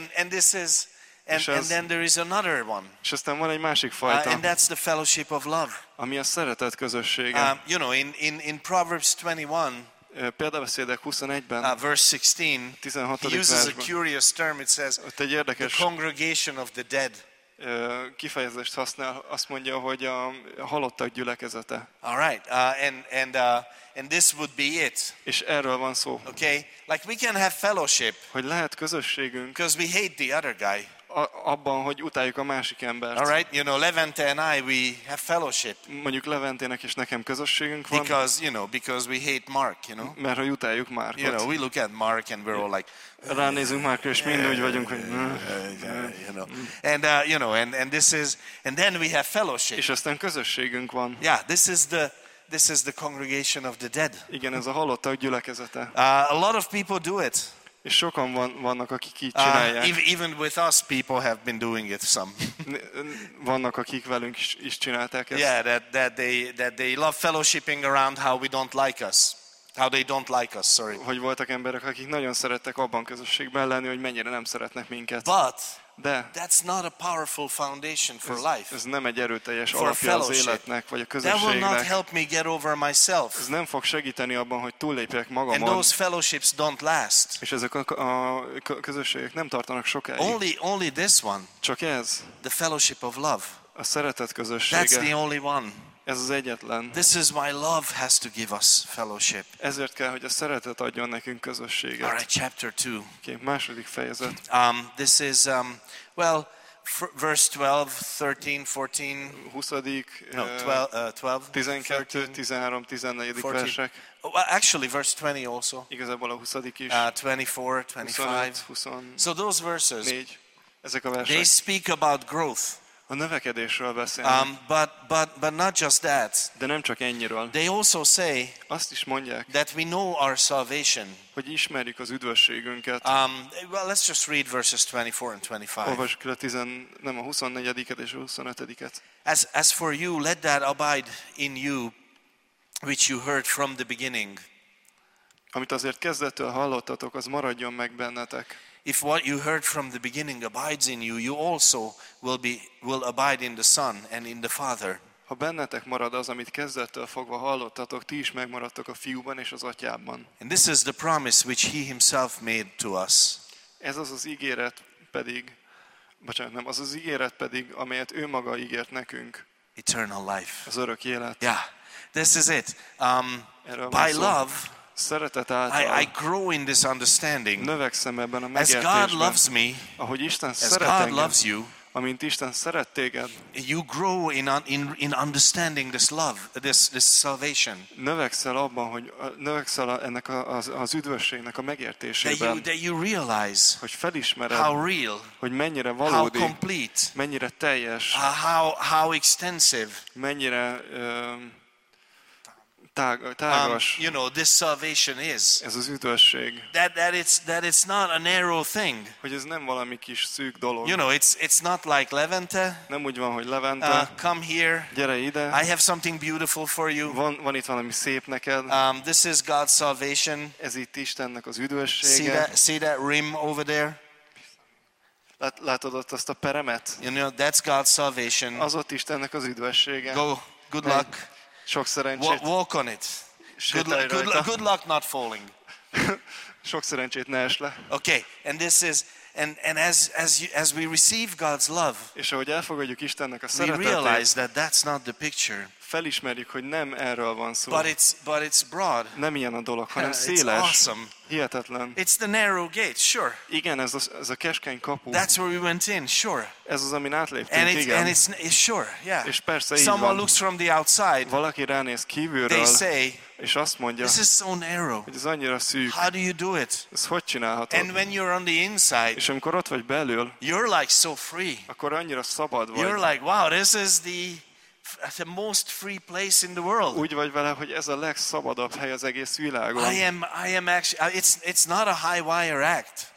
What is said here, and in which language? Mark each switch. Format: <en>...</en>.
<en>And this is, and then there is another one.</en> <hu>És aztán van egy másik fajta.</hu> <en>And that's the fellowship of love.</en> <hu>Ami a szeretet közössége.</hu> <en>You know, in Proverbs 21,</en> <hu>Példabeszédek 21-ben,</hu> <en>verse 16, he uses</en> <hu>versben,</hu> <en>a curious term, it says, the congregation of the dead.</en> <hu>Kifejezést használ, azt mondja, hogy a halottak gyülekezete.</hu> <en>All right, and this would be it.</en> <hu>És erről van szó.</hu> <en>Okay, like we can have fellowship.</en> <hu>Hogy lehet közösségünk.</hu> <en>Because we hate the other guy.</en> <hu>Abban, hogy utáljuk a másik embert.</hu> <en>All right, you know, Levente and I, we have fellowship.</en> <hu>Mondjuk Leventének és nekem közösségünk van.</hu> <en>Because, you know, because we hate Mark, you know.</en> <hu>Mert hogy utáljuk Markot.</hu> <en>You know, we look at Mark and we're all like,</en> <hu>ránézünk Markra és mind úgy vagyunk, hogy</hu> <en>you know. And you know, and this is, and then we have fellowship.</en> <hu>És aztán közösségünk van.</hu> <en>Yeah, this is the congregation of the dead.</en> <hu>Igen, ez a halottak gyülekezete.</hu> <en>A lot of people do it.</en> <hu>És sokan vannak, akik így csinálják.</hu> <en>Even with us, people have been doing it some.</en> <hu>Vannak, akik velünk is csinálták ezt.</hu> <en>Yeah, that they love fellowshipping around how we don't like us. How they don't like us, sorry.</en> <hu>Hogy voltak emberek, akik nagyon szerettek abban közösségben lenni, hogy mennyire nem szeretnek minket.</hu> <en>But</en> <hu>de</hu> <en>that's not a powerful foundation for life.</en> <hu>Ez nem egy erőteljes alapja az életnek vagy a közösségnek.</hu> <en>That will not help me get over myself.</en> <hu>Ez nem fog segíteni abban, hogy túllépjek magamon.</hu> <en>And those fellowships don't last.</en> <hu>És ezek a közösségek nem tartanak sokáig.</hu> <en>Only this one.</en> <hu>Csak ez.</hu> <en>The fellowship of love.</en> <hu>A szeretet közössége.</hu> <en>That's the only one.</en> <hu>Ez az egyetlen.</hu> <en>This is why love has to give us fellowship.</en> <hu>Ezért kell, hogy a szeretet adjon nekünk közösséget.</hu> <en>All right, chapter 2.</en> <hu>Okay, második fejezet.</hu> <en>This is well, verse 12, 13, 14. 20. No, 12.</en> <hu>12. 13, 14. versek.</hu> <en>Well, actually, verse 20 also.</en> <hu>Igazából a 20. is.</hu> <en>24, 25. 25. So those verses.</en> <hu>Négy. Ezek a versek.</hu> <en>They speak about growth.</en> <hu>A növekedésről beszélnek.</hu> <en>But not just that.</en> <hu>De nem csak ennyiről.</hu> <en>They also say,</en> <hu>azt is mondják,</hu> <en>that we know our salvation.</en> <hu>Hogy ismerjük az üdvösségünket.</hu> <en>Well, let's just read verses 24 and 25.</en> <hu>Olvasjuk le a 24. és a 25.</hu> <en>As for you, let that abide in you, which you heard from the beginning.</en> <hu>Amit azért kezdettől hallottatok, az maradjon meg bennetek.</hu> <en>If what you heard from the beginning abides in you, you also will abide in the Son and in the Father.</en> <hu>Ha bennetek marad az, amit kezdettől fogva hallottatok, ti is megmaradtok a Fiúban és az Atyában.</hu> <en>And this is the promise which he himself made to us.</en> <hu>Ez az az ígéret pedig, az az ígéret pedig, amelyet ő maga ígért nekünk.</hu> <en>Eternal life.</en> <hu>Az örök élet.</hu> <en>Yeah, this is it. By love,</en> <hu>szeretet által,</hu> <en>I grow in this understanding.</en> <hu>Növekszem ebben a megértésben.</hu> <en>As God loves me,</en> <hu>ahogy Isten</hu> <en>as</en> <hu>szeret</hu> <en>God</en> <hu>engem,</hu> <en>loves you,</en> <hu>amint Isten szeret téged,</hu> <en>you grow in understanding this love, this salvation.</en> <hu>Növekszel abban, hogy növekszel ennek az üdvösségnek a megértésében.</hu> <en>That you realize,</en> <hu>hogy felismered,</hu> <en>how real,</en> <hu>hogy mennyire valódi,</hu> <en>how complete,</en> <hu>mennyire teljes,</hu> <en>how extensive,</en> <hu>mennyire tágas.</hu> <en>You know, this salvation is.</en> <hu>Ez az üdvösség.</hu> <en>That it's not a narrow thing.</en> <hu>Hogy ez nem valami kis szűk dolog.</hu> <en>You know, it's not like Levente.</en> <hu>Nem úgy van, hogy Levente.</hu> <en>Come here.</en> <hu>Gyere ide.</hu> <en>I have something beautiful for you.</en> <hu>Van itt valami szép neked.</hu> <en>This is God's salvation.</en> <hu>Ez itt Istennek az üdvössége.</hu> <en>See that rim over there?</en> <hu>Látod ott azt a peremet?</hu> <en>You know, that's God's salvation.</en> <hu>Az ott Istennek az üdvössége.</hu> <en>Go. Good luck.</en> <hu>Sok szerencsét.</hu> <en>Walk on it. Good luck not falling.</en> <hu>Sok szerencsét, ne esle.</hu> <en>Okay, and this is and as we receive God's love.</en> <hu>És ahogy elfogadjuk Istennek a szeretetét.</hu> <en>We realize that that's not the picture.</en> <hu>Felismerjük, hogy nem erről van szó.</hu> <en>But it's broad.</en> <hu>Nem ilyen a dolog, hanem széles.</hu> <en>It's awesome.</en> <hu>Hihetetlen.</hu> <en>It's the narrow gate, sure.</en> <hu>Igen, ez a keskeny kapu.</hu> <en>That's where we went in, sure.</en> <hu>Ez az, amin átléptünk,</hu> <en>and</en> <hu>igen.</hu> <en>And it's sure, yeah.</en> <hu>És persze így van.</hu> <en>Someone looks from the outside.</en> <hu>Valaki ránéz kívülről.</hu> <en>They say,</en> <hu>és azt mondja,</hu> <en>this is so narrow.</en> <hu>Hogy ez annyira szűk.</hu> <en>How do you do it?</en> <hu>Ezt hogy csinálhatod?</hu> <en>And when you're on the inside,</en> <hu>és amikor ott vagy belül,</hu> <en>you're like so free.</en> <hu>Akkor annyira szabad vagy.</hu> <en>You're like, wow, this is the most free place in the world.</en> <hu>Úgy vagy vele, hogy ez a legszabadabb hely az egész világon.</hu> <en>I am actually, it's not a high wire act.</en>